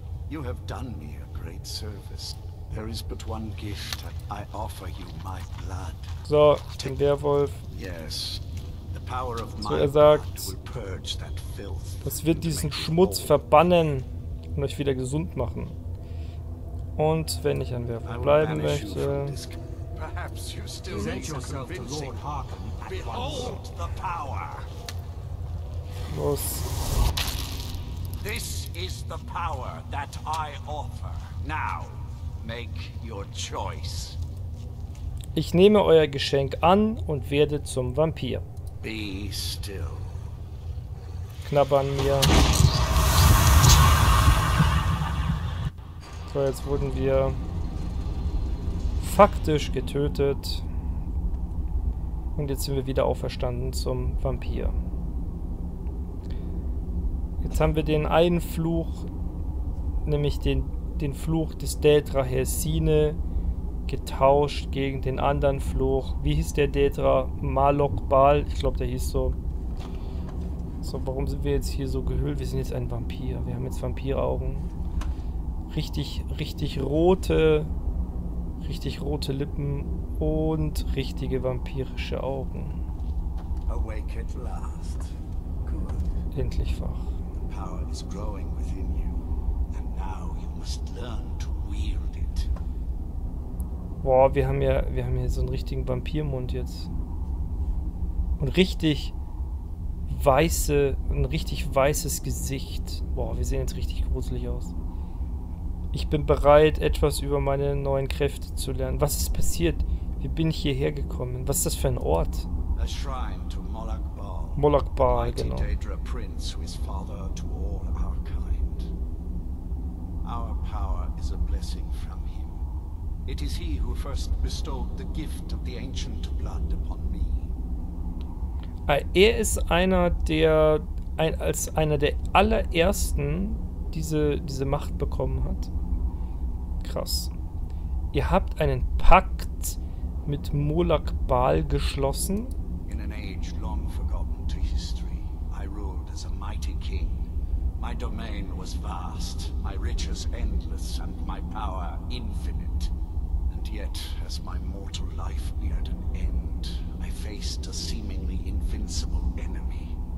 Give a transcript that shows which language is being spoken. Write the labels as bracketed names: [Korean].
[English] You have done me a great service. There is but one gift. I offer you my blood. [German] So, den Werwolf. [English] Yes. The power of my blood will purge that filth. [German] Das wird diesen Schmutz verbannen und euch wieder gesund machen. Und wenn ich ein Werwolf bleiben möchte. [English] Perhaps you still need to convince Lord Harkon. Behold the power. [German] Los. [English] This is the power that I offer. Now, make your choice. [German] Ich nehme euer Geschenk an und werde zum Vampir. [English] Be still. [German] Knabber an mir. So, jetzt wurden wir faktisch getötet. Und jetzt sind wir wieder auferstanden zum Vampir. Jetzt haben wir den einen Fluch, nämlich den Fluch des Daedra Hersine, getauscht gegen den anderen Fluch. Wie hieß der Daedra? Malok Bal? Ich glaube, der hieß so. So, warum sind wir jetzt hier so gehüllt? Wir sind jetzt ein Vampir. Wir haben jetzt Vampiraugen. Richtig, richtig rote Lippen und richtige vampirische Augen. [English] Awake at last. Good. [German] Endlich wach. [English] Power is growing within you, and now you must learn to wield it. [German] Boah, wir haben ja so einen richtigen Vampirmund jetzt. Und richtig weiße, ein richtig weißes Gesicht. Boah, wir sehen jetzt richtig gruselig aus. Ich bin bereit, etwas über meine neuen Kräfte zu lernen. Was ist passiert? Wie bin ich hierher gekommen? Was ist das für ein Ort? [English] A shrine to Molag Bal. [German] Molag Bal, genau. [English] Mighty Daedra Prince, who is father to all our kind. Our power is a blessing from him. It is he who first bestowed the gift of the ancient blood upon me. [German] Er ist einer der, als einer der allerersten diese Macht bekommen hat. Krass. Ihr habt einen Pakt mit Molag Bal geschlossen. [English] In an age long forgotten to history, I ruled as a mighty king. My domain was vast, my riches endless, and my power infinite. And yet, as my mortal life neared an end, I faced a seemingly invincible enemy.